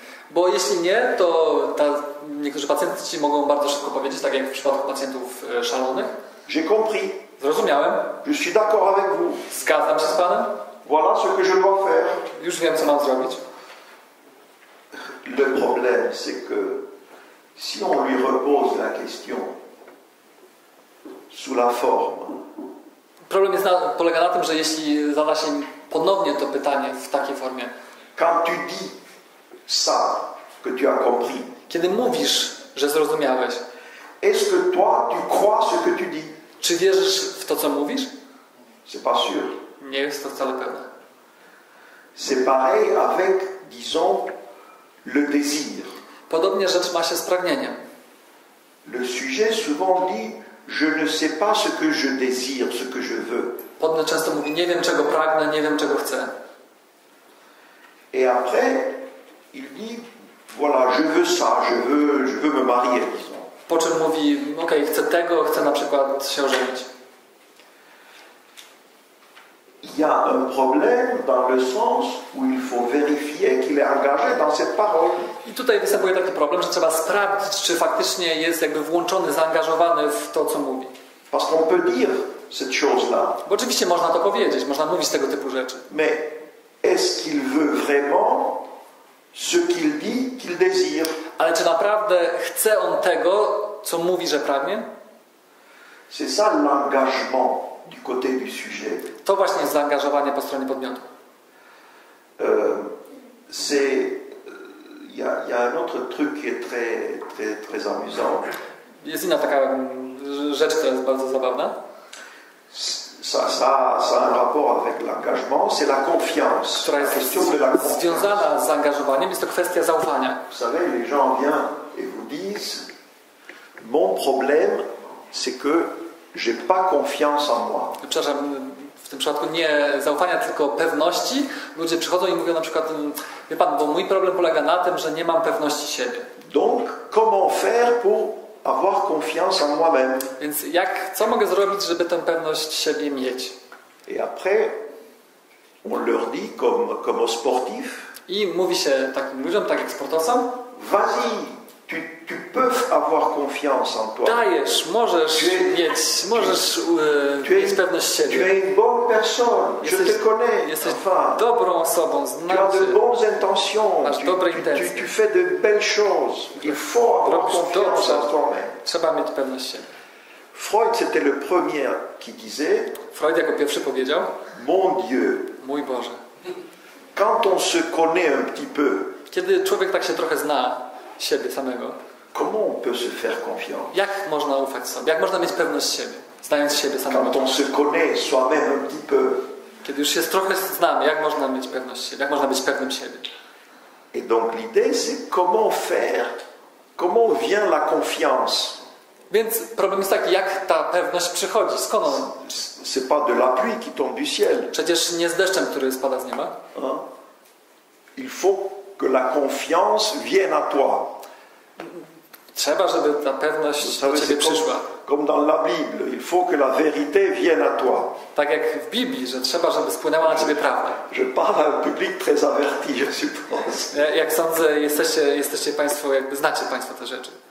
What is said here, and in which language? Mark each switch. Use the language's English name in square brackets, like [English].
[Polish] Bo jeśli nie, to niektórzy pacjenci mogą bardzo szybko powiedzieć, tak jak w przypadku pacjentów szalonych. [French] J'ai compris. [Polish] Zrozumiałem. [French] Je suis d'accord avec vous. [Polish] Zgadzam się z panem. [French] Voilà ce que je dois faire. [Polish] Już wiem, co mam zrobić. [French] Le problème, c'est que si on lui repose la question sous la forme. [Polish] Problem jest polega na tym, że jeśli zada się ponownie to pytanie w takiej formie. [French] Quand tu dis ça, que tu as compris. [Polish] Kiedy mówisz, że zrozumiałeś. [French] Est-ce que toi tu crois ce que tu dis? [Polish] Czy wierzysz w to, co mówisz? [French] C'est pas sûr. [Polish] Nie jest to wcale pewne. [French] C'est pareil avec, disons, le désir. [Polish] Podobnie rzecz ma się z pragnieniem. [French] Le sujet souvent dit je ne sais pas ce que je désire, ce que je veux. [Polish] Podobnie często mówi nie wiem, czego pragnę, nie wiem, czego chcę. [French] Et après il dit voilà, je veux ça, je veux me marier. [Polish] Po czym mówi, ok, chcę tego, chcę na przykład się ożenić. [French] Il y a un problème dans le sens où il faut vérifier qu'il est engagé dans cette parole. [Polish] I tutaj występuje taki problem, że trzeba sprawdzić, czy faktycznie jest jakby włączony, zaangażowany w to, co mówi. [French] Parce qu'on peut dire cette chose-là. [Polish] Bo oczywiście można to powiedzieć, można mówić tego typu rzeczy. [French] Mais est-ce qu'il veut vraiment ce qu'il dit qu'il désire? [Polish] Ale czy naprawdę chce on tego, co mówi, że pragnie? [French] C'est ça l'engagement du côté du sujet. [Polish] To właśnie jest zaangażowanie po stronie podmiotu. [French] C'est il y a un autre truc qui est très très très amusant. [Polish] Jest inna taka rzecz, która jest bardzo zabawna. [French] Ça a un rapport avec l'engagement, c'est la confiance. [Polish] Która jest [French] question de la confiance. [Polish] Związana z zaangażowaniem, jest to kwestia zaufania. [French] Vous savez, les gens viennent et vous disent mon problème c'est que j'ai pas confiance en moi. [Polish] Przepraszam, w tym przypadku nie zaufania, tylko pewności. Ludzie przychodzą i mówią na przykład, wie pan, bo mój problem polega na tym, że nie mam pewności siebie. [French] Donc, comment faire pour avoir confiance en moi-même. [Polish] Więc jak, co mogę zrobić, żeby tę pewność siebie mieć? [French] Et après, on leur dit comme sportif. [Polish] I mówi się takim ludziom, tak jak sportowcom. [French] Vas-y, tu peux avoir confiance en toi. [Polish] Dajesz, możesz mieć, możesz mieć pewność siebie. [French] Tu es une bonne personne, je te connais. [Polish] Jesteś dobrą osobą, znam cię. [French] Tu as de bonnes intentions, [Polish] masz dobre intencje. [French] Tu fais de belles choses. Il faut avoir confiance en toi-même. [Polish] Trzeba mieć pewność siebie. [French] Freud, c'était le premier qui disait, [Polish] Freud jako pierwszy powiedział, [French] mon Dieu, [Polish] mój Boże, [French] quand on se connaît un petit peu, [Polish] kiedy człowiek tak się trochę zna siebie samego, [French] comment on peut se faire confiance? [Polish] Jak można ufać sobie, jak można mieć pewność siebie, znając siebie samego? [French] Quand on se connaît soi-même un petit peu, [Polish] kiedy już się trochę znamy, jak można mieć pewność siebie, jak można być pewnym siebie? [French] Et donc l'idée c'est comment faire, comment vient la confiance? [Polish] Więc problem jest taki, jak ta pewność przychodzi, skąd on? [French] C'est pas de la pluie qui tombe du ciel. [Polish] Przecież nie z deszczem, który spada z nieba. [French] Il faut que la confiance vienne à toi. [Polish] Trzeba, żeby ta pewność do ciebie przyszła. [French] Comme dans la Bible, il faut que la vérité vienne à toi. [Polish] Tak jak w Biblii, że trzeba, żeby spłynęła na ciebie prawda. [French] Je parle à un public très averti, je suppose. [Polish] Jak sądzę, jesteście państwo, jakby znacie państwo te rzeczy.